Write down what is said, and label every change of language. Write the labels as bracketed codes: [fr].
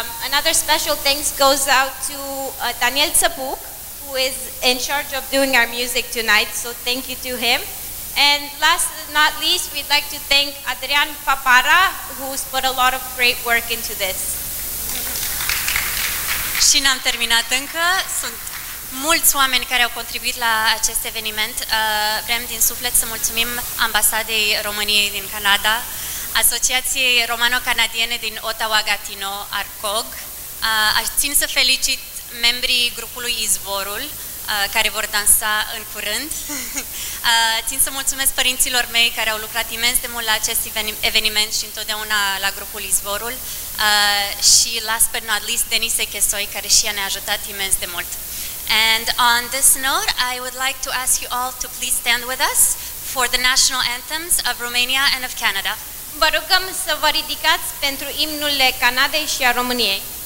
[en] Another special thanks goes out to Daniel Săpuc, who is in charge of doing our music tonight, so thank you to him. And last but not least, we'd like to thank Adrian Papara, who's put a lot of great work into this. [ro] Și n-am terminat încă. Sunt mulți oameni care au contribuit la acest eveniment. Vrem din suflet să mulțumim Ambasadei României din Canada, Asociației Romano-Canadiene din Ottawa-Gatineau, ARCOG. Țin să felicit membrii grupului Izvorul, care vor dansa în curând. Țin să mulțumesc părinților mei care au lucrat imens de mult la acest eveniment și întotdeauna la grupul Izvorul. Și [en] last but not least, [ro] Denise Chesoi, care și ea ne-a ajutat imens de mult. [en] And on this note, I would like to ask you all to please stand with us for the national anthems of Romania and of Canada. [ro] Vă rugăm să vă ridicați pentru imnurile Canadei și a României.